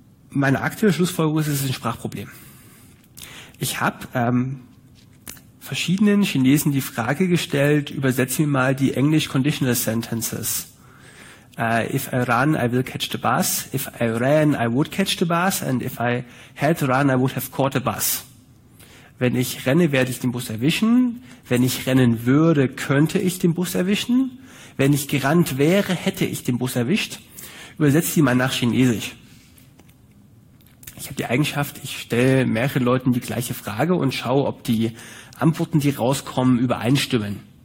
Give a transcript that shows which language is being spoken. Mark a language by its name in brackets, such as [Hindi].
[German] Meine aktuelle Schlussfolgerung ist, es ist ein Sprachproblem. Ich habe verschiedenen Chinesen die Frage gestellt, übersetze mir mal die English Conditional Sentences. [English] If I run, I will catch the bus. If I ran, I would catch the bus. And if I had run, I would have caught the bus. [German] Wenn ich renne, werde ich den Bus erwischen. Wenn ich rennen würde, könnte ich den Bus erwischen. Wenn ich gerannt wäre, hätte ich den Bus erwischt. Übersetze die mal nach Chinesisch. Ich habe die Eigenschaft, ich stelle mehreren Leuten die gleiche Frage und schaue, ob die Antworten, die rauskommen, übereinstimmen.